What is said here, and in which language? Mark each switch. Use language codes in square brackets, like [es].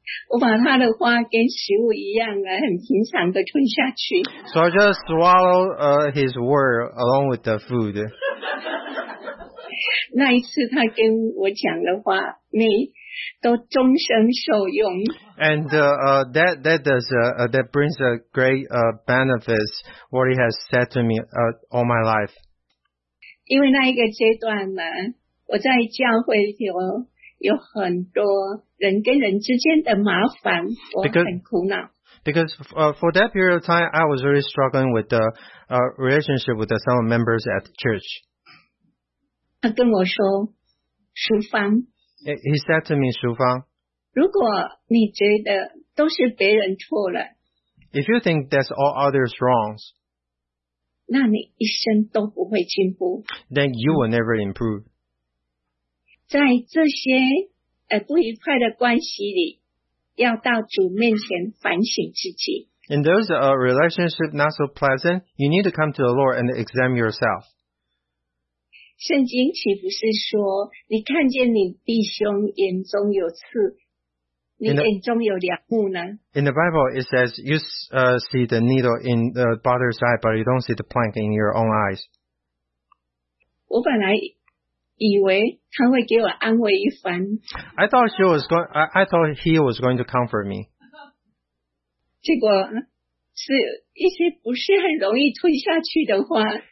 [zh] 我把他的话跟食物一样的很平常的吞下去。 [en] So I just swallow his word along with the food. [zh] 那一次他跟我讲的话，你。都终身受用。 [en] And that brings a great benefits what he has said to me all my life. [zh] 因为那一个阶段呢，我在教会里有很多人跟人之间的麻烦，我很苦恼。 [en] Because for that period of time, I was really struggling with the relationship with some members at the church. [zh] 他跟我说，淑芳。 [en] He said to me, 淑芳, [zh] 如果你觉得都是别人错了, [en] If you think that's all others' wrongs, [zh] 那你一生都不会进步, [en] then you will never improve. [zh] 在这些不愉快的关系里, 要到主面前反省自己。 [en] In those relationships not so pleasant, you need to come to the Lord and examine yourself. [zh] 圣经岂不是说，你看见你弟兄眼中有刺，你眼中有梁木呢 [en] ？In the Bible, it says you see the needle in the brother's eye, but you don't see the plank in your own eyes. [zh] 我本来以为他会给我安慰一番。 [en] I thought he was going to comfort me. [zh] 结果是一些不是很容易吞下去的话。